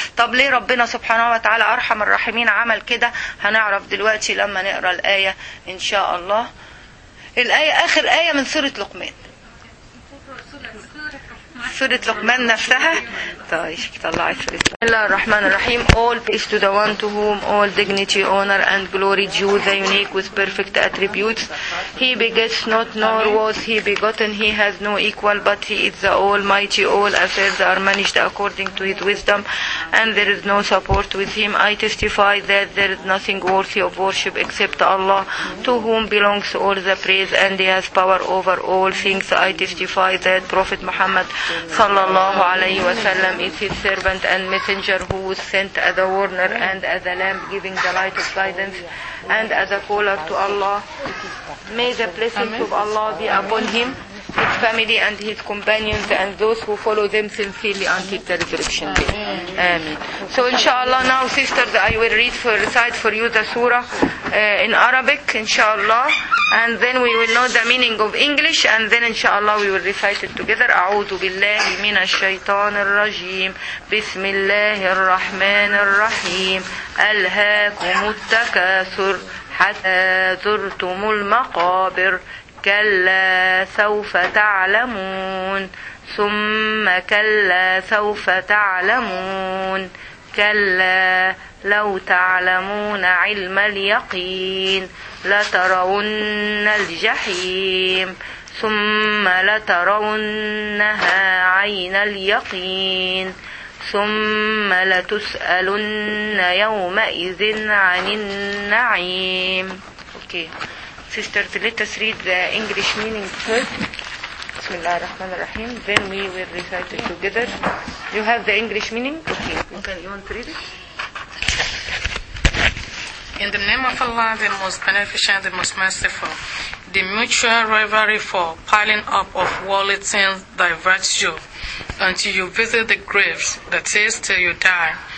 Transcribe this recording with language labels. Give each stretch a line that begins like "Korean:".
Arabic: طب ليه ربنا سبحانه وتعالى أرحم الراحمين عمل كده؟ هنعرف دلوقتي لما نقرأ الآية إن شاء الله. الآية آخر آية من سورة لقمان، سورة لقمان نفسها. طيب طلعي سورة بسم الله الرحمن الرحيم.
English: All peace to the one to whom all dignity, honor and glory due, the unique with perfect attributes. He begets not, nor was he begotten. He has no equal, but he is the almighty. All affairs are managed according to his wisdom, and there is no support with him. I testify that there is nothing worthy of worship except Allah, to whom belongs all the praise, and he has power over all things. I testify that Prophet Muhammad
Arabic: صلى الله عليه وسلم
English: is his servant and messenger, who was sent as a warner and as a lamp giving the light of guidance and as a caller to Allah. May the blessings of Allah be upon him, his family and his companions and those who follow them sincerely until the resurrection day. Amen. So inshallah, now sisters, I will recite for you the surah in Arabic inshallah. and then we will know the meaning of English, and then inshallah we will recite it together.
Arabic: أعوذ بالله من الشيطان الرجيم بسم الله الرحمن الرحيم ألهاكم التكاثر حتى زرتم المقابر كلا سوف تعلمون ثم كلا سوف تعلمون كلا لو تعلمون علم اليقين لترون الجحيم ثم لترونها عين اليقين ثم لتسألن يومئذ عن النعيم.
English: Okay. Sisters, let us read the English meaning first.
Arabic: بسم الله الرحمن الرحيم.
English: Then we will recite it together. You have the English meaning? Okay. You want to read it? In the name of Allah, the most beneficent, the most merciful, the mutual rivalry for piling up of worldly things diverts you until you visit the graves, that is, till you die.